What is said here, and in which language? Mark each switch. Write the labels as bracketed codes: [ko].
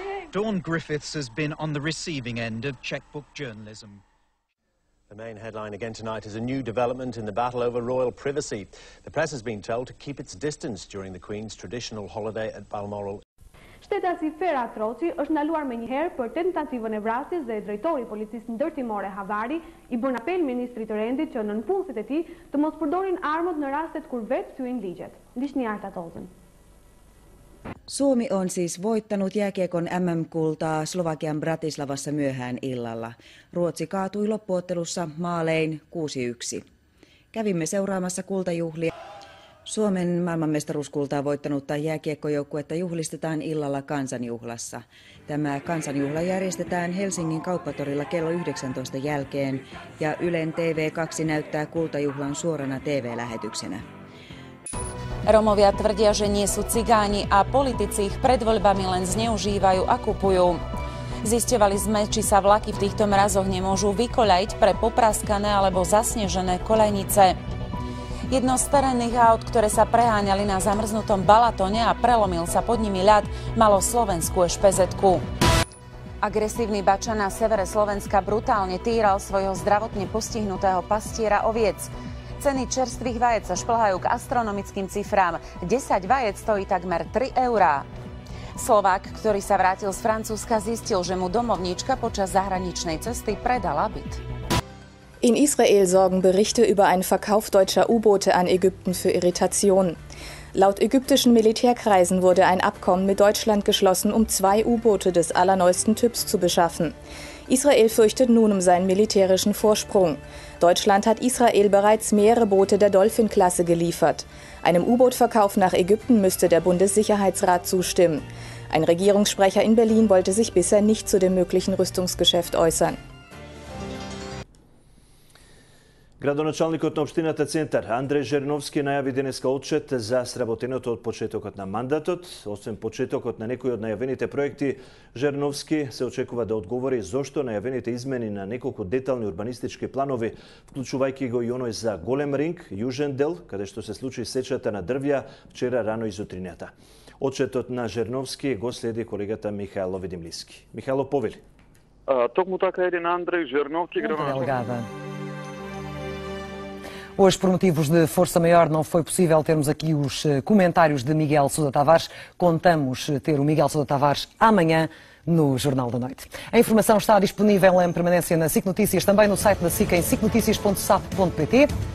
[en] Dawn Griffiths has been on the receiving end of checkbook journalism. The main headline again tonight is a new development in the battle over royal privacy. The press has been told to keep its distance during the Queen's traditional holiday at Balmoral. [sq] Shtetasi Fera Troci është ndaluar më njëherë për tentativën e vrasjes dhe drejtori i policisë ndërtimore Havari i bën apel ministrit të rendit që nën punësit e tij të mos përdorin armët në rastet kur vetë thyen ligjet. Ndiqni Arta Tozën. [fi] Suomi on siis voittanut jääkiekon MM-kultaa Slovakian Bratislavassa myöhään illalla. Ruotsi kaatui loppuottelussa maalein 6-1. Kävimme seuraamassa kultajuhlia. Suomen maailmanmestaruuskultaa voittanutta jääkiekkojoukkuetta juhlistetaan illalla kansanjuhlassa. Tämä kansanjuhla järjestetään Helsingin kauppatorilla kello 19 jälkeen ja Ylen TV2 näyttää kultajuhlan suorana TV-lähetyksenä. [sk] Romovia tvrdia, že nie sú cigáni a politici ich pred voľbami len zneužívajú a kupujú. Zisťovali sme, či sa vlaky v týchto mrazoch nemôžu vykoľajiť pre popraskané alebo zasnežené kolejnice. Jedno z terénnych aut, ktoré sa preháňali na zamrznutom Balatone a prelomil sa pod nimi ľad, malo slovenskú ešpezetku. Agresívny bača na severe Slovenska brutálne týral svojho zdravotne postihnutého pastiera oviec. Ceny čerstvých vajec sa šplhajú k astronomickým cifrám. 10 vajec stojí takmer 3 eurá. Slovák, ktorý sa vrátil z Francúzska, zistil, že mu domovníčka počas zahraničnej cesty predala byt. [de] In Israel sorgen Berichte über einen Verkauf deutscher U-Boote an Ägypten für Irritation. Laut ägyptischen Militärkreisen wurde ein Abkommen mit Deutschland geschlossen, um zwei U-Boote des allerneuesten Typs zu beschaffen. Israel fürchtet nun um seinen militärischen Vorsprung. Deutschland hat Israel bereits mehrere Boote der Dolphin-Klasse geliefert. Einem U-Boot-Verkauf nach Ägypten müsste der Bundessicherheitsrat zustimmen. Ein Regierungssprecher in Berlin wollte sich bisher nicht zu dem möglichen Rüstungsgeschäft äußern. [mk] Градоначалник на општината Центар Андреј Жерновски најави денеска отчет за сработеното од почетокот на мандатот. Освен почетокот на некои од најавените проекти, Жерновски се очекува да одговори зошто најавените измени на неколку детални урбанистички планови, вклучувајќи го и оној за голем ринг, јужен дел, каде што се случи сечата на дрвја вчера рано изутринјата. Отчетот на Жерновски го следи колегата Михајло Видимлиски. Михајло, повели. Токму така еден Андреј Жерновски [pt] Hoje, por motivos de força maior, não foi possível termos aqui os comentários de Miguel Sousa Tavares. Contamos ter o Miguel Sousa Tavares amanhã no Jornal da Noite. A informação está disponível em permanência na SIC Notícias, também no site da SIC em sicnoticias.sap.pt.